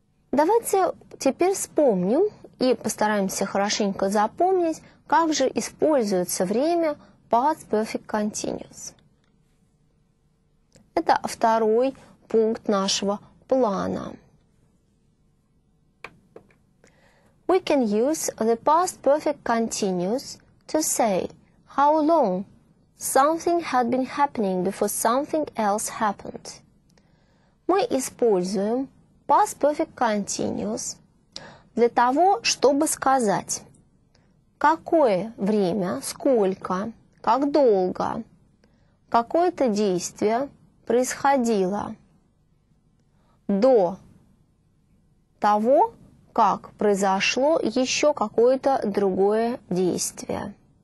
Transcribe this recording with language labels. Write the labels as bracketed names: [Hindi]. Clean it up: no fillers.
[Russian] Давайте теперь вспомним и постараемся хорошенько запомнить, как же используется время past perfect continuous. Это второй пункт нашего плана. [English] We can use the past perfect continuous to say how long something had been happening before something else happened. [Russian] Мы используем past perfect continuous для того, чтобы сказать, какое время, сколько, как долго какое-то действие происходило до того, как произошло еще какое-то другое действие.